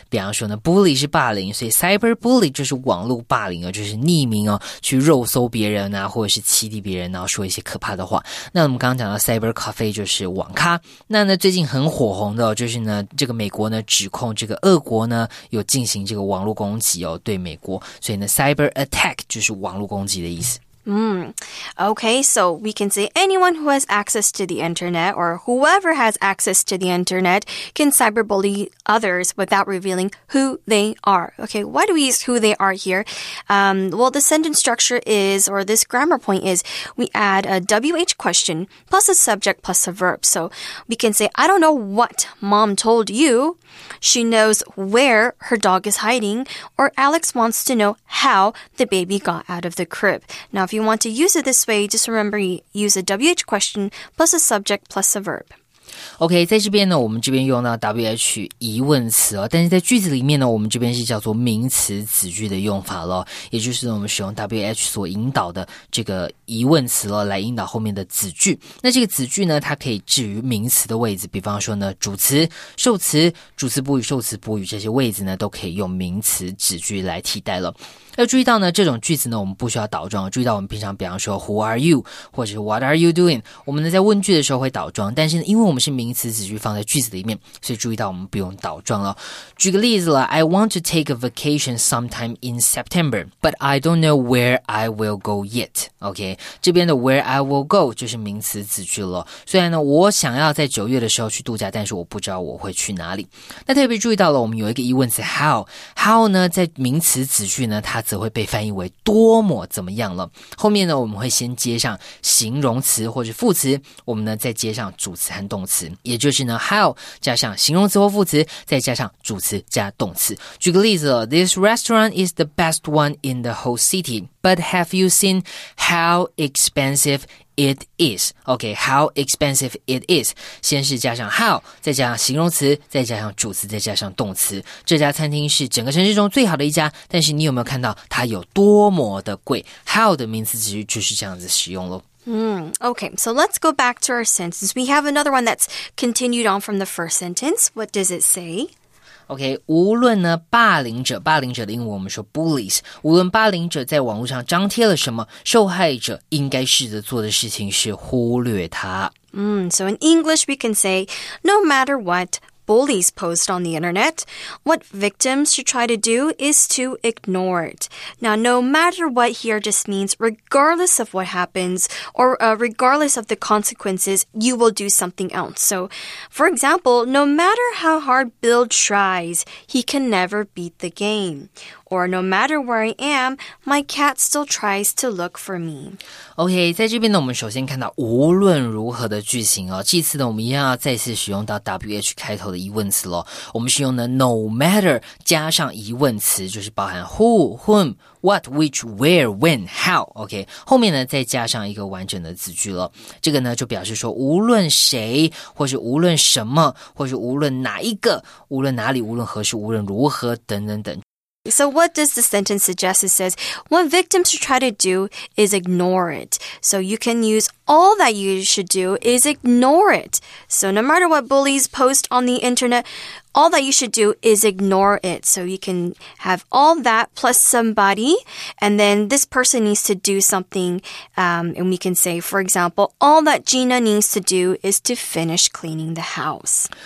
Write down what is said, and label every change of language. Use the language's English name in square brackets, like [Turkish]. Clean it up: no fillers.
[Chinese] 比方说呢 bully 是霸凌，所以 cyber bully 就是网络霸凌、哦、就是匿名、哦、去肉搜别人啊，或者是欺敌别人，然后说一些可怕的话。那我们刚刚讲到 cyber cafe 就是网咖。那呢最近很火红的、哦、就是呢这个美国呢指控这个俄国呢有进行这个网络攻击哦，对美国，所以呢 cyber attack 就是网络攻击的意思。 [English] Okay, so we can say anyone who has access to the internet or whoever has access to the internet can cyberbully others without revealing who they are. Okay, why do we use who they are here? Well, the sentence structure is, or this grammar point is, we add a WH question plus a subject plus a verb. So we can say, I don't know what mom told you. She knows where her dog is hiding. Or Alex wants to know how the baby got out of the crib. Now, if you want to use it this way, just remember you use a WH question plus a subject plus a verb. [Chinese] OK, 在这边呢我们这边用到 WH 疑问词、哦、但是在句子里面呢我们这边是叫做名词子句的用法咯，也就是我们使用 WH 所引导的这个疑问词咯来引导后面的子句。那这个子句呢它可以置于名词的位置，比方说呢主词、受词、主词补语、受词补语，这些位置呢都可以用名词子句来替代了。要注意到呢这种句子呢我们不需要倒装，注意到我们平常比方说 [English] Who are you? 或者是 What are you doing? [Chinese] 我们呢在问句的时候会倒装，但是呢因为我们是名词子句放在句子里面，所以注意到我们不用倒装了。举个例子了， [English] I want to take a vacation sometime in September, but I don't know where I will go yet. [Chinese] OK, 这边的 [English] where I will go [Chinese] 就是名词子句了。虽然呢我想要在九月的时候去度假，但是我不知道我会去哪里。那特别注意到了我们有一个疑问词 how。how 呢在名词子句呢它则会被翻译为多么怎么样了。后面呢我们会先接上形容词或是副词，我们呢再接上主词和动词，也就是呢 how 加上形容词或副词，再加上主词加动词。举个例子了， [English] This restaurant is the best one in the whole city, but have you seen how expensive it is? OK, how expensive it is? [Chinese] 先是加上 how, 再加上形容词，再加上主词，再加上动词。这家餐厅是整个城市中最好的一家，但是你有没有看到它有多么的贵？ How 的名词其实就是这样子使用咯。 [English] Okay, so let's go back to our sentence. We have another one that's continued on from the first sentence. What does it say? [Chinese] Okay, 无论呢霸凌者，霸凌者的英文我们说 bullies, 无论霸凌者在网络上张贴了什么，受害者应该试着做的事情是忽略他。 [English] So in English we can say, no matter what bullies post on the internet, what victims should try to do is to ignore it. Now, no matter what here just means regardless of what happens or regardless of the consequences, you will do something else. So, for example, no matter how hard Bill tries, he can never beat the game. Or no matter where I am, my cat still tries to look for me. [Chinese] OK, 在这边呢我们首先看到无论如何的句型哦。这次呢我们一样要再次使用到 WH 开头的疑问词咯。我们是用呢 no matter 加上疑问词，就是包含 who, whom,What, which, where, when, how, OK, 后面呢再加上一个完整的子句了。这个呢就表示说无论谁，或是无论什么，或是无论哪一个，无论哪里，无论何时，无论如何，等等等。 [English] So what does the sentence suggest? It says, what victims should try to do is ignore it. So you can use all that you should do is ignore it. So no matter what bullies post on the internet, all that you should do is ignore it. So you can have all that plus somebody, and then this person needs to do something, and we can say, for example, all that Gina needs to do is to finish cleaning the house.